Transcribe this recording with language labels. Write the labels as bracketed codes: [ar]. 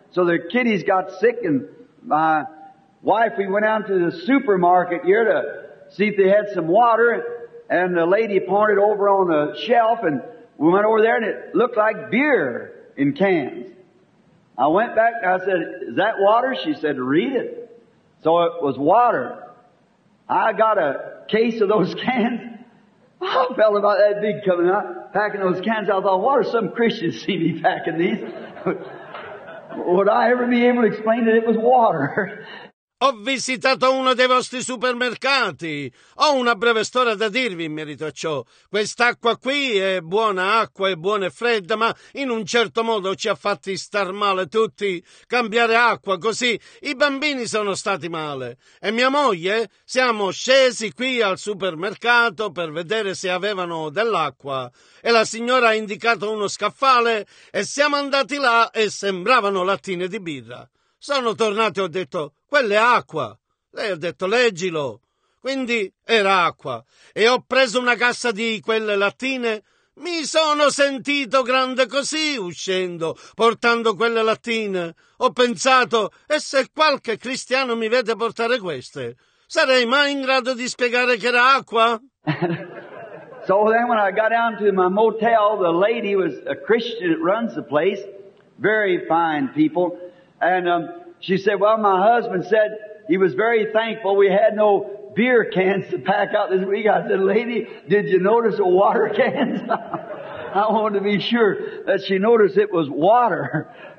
[en] So the kiddies got sick, and my wife, we went out to the supermarket here to see if they had some water, and the lady pointed over on the shelf, and we went over there, and it looked like beer in cans. I went back, I said, is that water? She said, read it. So it was water. I got a case of those cans. I felt about that big coming out, packing those cans. I thought, what are some Christians see me packing these? Would I ever be able to explain that it was water? [it] Ho visitato uno dei vostri supermercati. Ho una breve storia da dirvi in merito a ciò. Quest'acqua qui è buona acqua, è buona e fredda, ma in un certo modo ci ha fatti star male tutti. Cambiare acqua così, i bambini sono stati male. E mia moglie? Siamo scesi qui al supermercato per vedere se avevano dell'acqua. E la signora ha indicato uno scaffale e siamo andati là e sembravano lattine di birra. Sono tornato e ho detto, quella è acqua. Lei ha detto, leggilo. Quindi era acqua. E ho preso una cassa di quelle lattine. Mi sono sentito grande così uscendo, portando quelle lattine. Ho pensato, e se qualche cristiano mi vede portare queste, sarei mai in grado di spiegare che era acqua? [en] So then when I got down to my motel, the lady was a Christian that runs the place. Very fine people. And she said, well, my husband said he was very thankful we had no beer cans to pack out this week. I said, lady, did you notice the water cans? I wanted to be sure that she noticed it was water.